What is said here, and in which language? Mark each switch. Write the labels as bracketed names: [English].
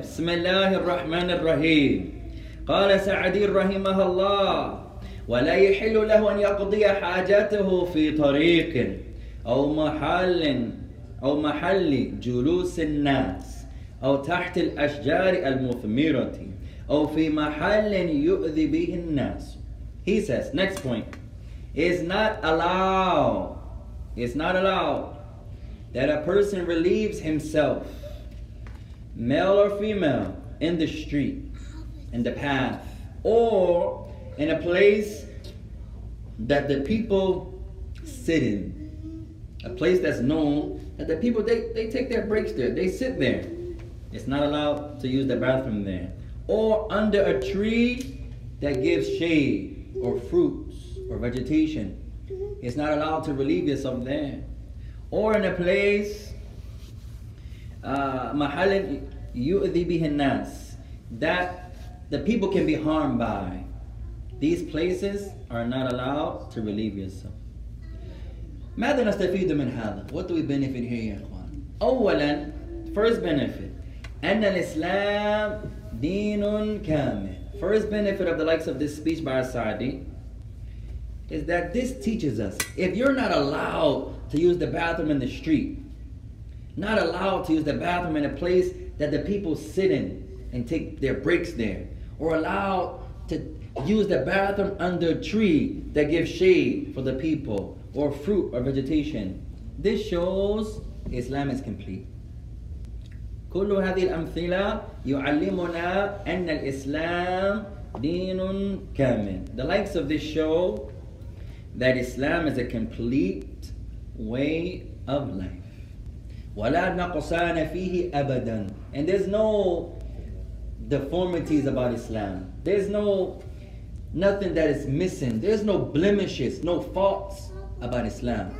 [Arabic] بسم الله الرحمن الرحيم. قال سعدي رحمه الله. ولا يحل له أن يقضي حاجته في طريق أو محل أو محل جلوس الناس أو تحت الأشجار المثمرة أو في محل يؤذي به الناس. [English] He says, next point, it's not allowed that a person relieves himself, male or female, in the street, in the path, or in a place that the people sit in. A place that's known that the people, they take their breaks there, they sit there. It's not allowed to use the bathroom there. Or under a tree that gives shade, or fruits, or vegetation. It's not allowed to relieve yourself there. Or in a place, mahalin yu'adhi bihin nas, that the people can be harmed by. These places are not allowed to relieve yourself. [Arabic] ماذا نستفيد من هذا? [English] What do we benefit here, [Arabic] يا إخوان? أولا, [English] first benefit, [Arabic] أن الإسلام دين كامل. [English] First benefit of the likes of this speech by Al-Saadi is that this teaches us, if you're not allowed to use the bathroom in the street, not allowed to use the bathroom in a place that the people sit in and take their breaks there, or allowed to use the bathroom under a tree that gives shade for the people, or fruit or vegetation, this shows Islam is complete. [Arabic] كل هذه الأمثلة يعلمنا أن الإسلام دين كامل. [English] The likes of this show that Islam is a complete way of life. [Arabic] ولا نقصان فيه أبدا. [English] And there's no deformities about Islam. There's no nothing that is missing. There's no blemishes, no faults about Islam.